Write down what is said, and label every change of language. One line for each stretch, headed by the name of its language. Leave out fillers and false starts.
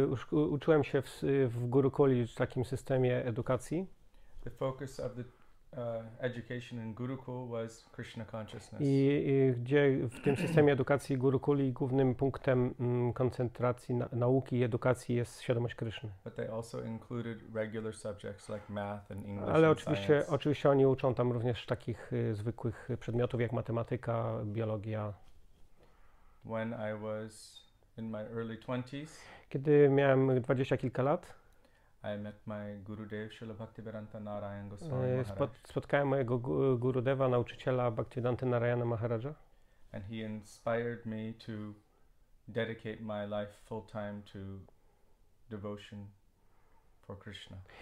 Polish: Uczyłem się w Gurukuli, w takim systemie edukacji.
English: The focus of the education in Gurukul was Krishna consciousness.
Polish: I gdzie w tym systemie edukacji Gurukuli głównym punktem koncentracji nauki i edukacji jest świadomość Kryszny.
English: But they also included regular subjects like math and English.
Polish: Ale oczywiście oni uczą tam również takich zwykłych przedmiotów jak matematyka, biologia.
English: When I was in my early 20s,
Polish: kiedy miałem dwadzieścia kilka lat,
English: I met my Gurudev, Srila Bhaktivedanta Narayana Goswami Maharaja.
Polish: Spotkałem mojego Gurudeva, nauczyciela Bhaktivedanta Narayana Maharaja.
English: And he inspired me to dedicate my life full time to devotion for Krishna.